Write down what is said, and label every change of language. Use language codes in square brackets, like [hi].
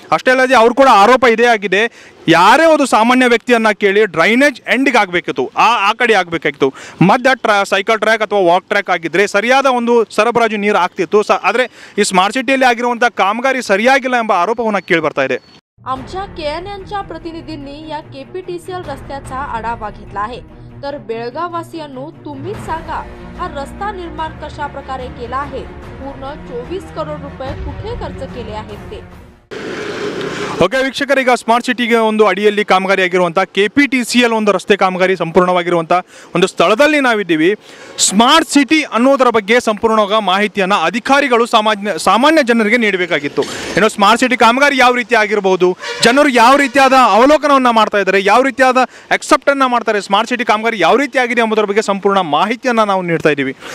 [kn] ಅಷ್ಟೇ ಅಲ್ಲದೆ ಅವ್ರು ಕೂಡ ಆರೋಪ ಇದೇ ಆಗಿದೆ, ಯಾರೇ ಒಂದು ಸಾಮಾನ್ಯ ವ್ಯಕ್ತಿಯನ್ನ ಕೇಳಿ ಡ್ರೈನೇಜ್ ಎಂಡ್ಗೆ ಆಗಬೇಕಿತ್ತು, ಆ ಕಡೆ ಆಗಬೇಕಾಗಿತ್ತು. ಮಧ್ಯ ಸೈಕಲ್ ಟ್ರ್ಯಾಕ್ ಅಥವಾ ವಾಕ್ ಟ್ರ್ಯಾಕ್ ಆಗಿದ್ರೆ ಸರಿಯಾದ ಒಂದು ಸರಬರಾಜು ನೀರು ಆಗ್ತಿತ್ತು. ಆದರೆ ಈ ಸ್ಮಾರ್ಟ್ ಸಿಟಿಯಲ್ಲಿ ಆಗಿರುವಂತಹ ಕಾಮಗಾರಿ ಸರಿಯಾಗಿಲ್ಲ ಎಂಬ ಆರೋಪವನ್ನು ಕೇಳಿಬರ್ತಾ ಇದೆ. [mr] आमच्या केएनएनच्या प्रतिनिधींनी या केपीटीसीएल रस्त्याचा आढावा घेतला आहे. तर बेळगाववासियांनो तुम्हीच सांगा, हा रस्ता निर्माण कशा प्रकारे केला आहे, पूर्ण 24 करोड रुपये कुठे खर्च केले आहेत ते. [kn] ಓಕೆ ವೀಕ್ಷಕರ, ಈಗ ಸ್ಮಾರ್ಟ್ ಸಿಟಿಗೆ ಒಂದು ಅಡಿಯಲ್ಲಿ ಕಾಮಗಾರಿ ಆಗಿರುವಂಥ K P T C L ಒಂದು ರಸ್ತೆ ಕಾಮಗಾರಿ ಸಂಪೂರ್ಣವಾಗಿರುವಂಥ ಒಂದು ಸ್ಥಳದಲ್ಲಿ ನಾವಿದ್ದೀವಿ. ಸ್ಮಾರ್ಟ್ ಸಿಟಿ ಅನ್ನೋದರ ಬಗ್ಗೆ ಸಂಪೂರ್ಣವಾಗ ಮಾಹಿತಿಯನ್ನು ಅಧಿಕಾರಿಗಳು ಸಾಮಾನ್ಯ ಜನರಿಗೆ ನೀಡಬೇಕಾಗಿತ್ತು. ಏನು ಸ್ಮಾರ್ಟ್ ಸಿಟಿ ಕಾಮಗಾರಿ ಯಾವ ರೀತಿ ಆಗಿರ್ಬೋದು, ಜನರು ಯಾವ ರೀತಿಯಾದ ಅವಲೋಕನವನ್ನು ಮಾಡ್ತಾ ಇದ್ದಾರೆ, ಯಾವ ರೀತಿಯಾದ ಅಕ್ಸೆಪ್ಟನ್ನು ಮಾಡ್ತಾರೆ, ಸ್ಮಾರ್ಟ್ ಸಿಟಿ ಕಾಮಗಾರಿ ಯಾವ ರೀತಿ ಆಗಿದೆ ಎಂಬುದರ ಬಗ್ಗೆ ಸಂಪೂರ್ಣ ಮಾಹಿತಿಯನ್ನು ನಾವು ನೀಡ್ತಾ ಇದ್ದೀವಿ.